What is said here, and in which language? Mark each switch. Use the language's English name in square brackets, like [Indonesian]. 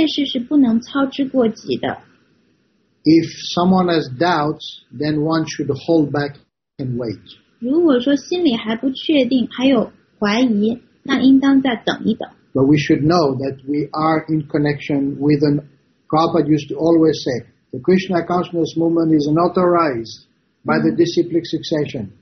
[Chinese] 就是启迪这件事是不能操之过急的。 [English] If someone has doubts, then one should hold back and wait. [Chinese] 如果说心里还不确定，还有怀疑。 [English] But we should know that we are in connection with an. Prabhupada used to always say, the Krishna consciousness movement is authorized by the disciplic succession.